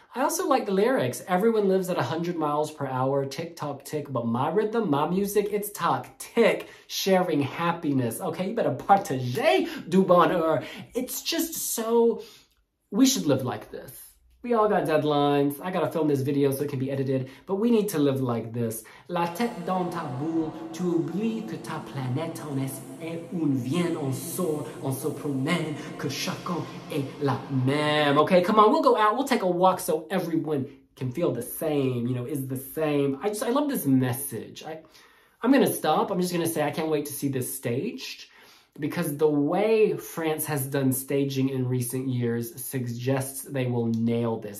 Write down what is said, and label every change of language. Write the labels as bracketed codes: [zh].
[en] I also like the lyrics. Everyone lives at 100 miles per hour, tick tock tick, but my rhythm, my music, it's tock tick, sharing happiness. Okay, you better [fr] partager du bonheur. [en] It's just so, we should live like this. We all got deadlines. I gotta film this video so it can be edited, but we need to live like this. [fr] La tête dans ta boule, tu oublies que ta planète en est et on vient, on se promène, que chacun est la même. [en] Okay, come on, we'll go out, we'll take a walk so everyone can feel the same, you know, is the same. I love this message. I'm gonna stop. I'm just gonna say I can't wait to see this staged. Because the way France has done staging in recent years suggests they will nail this.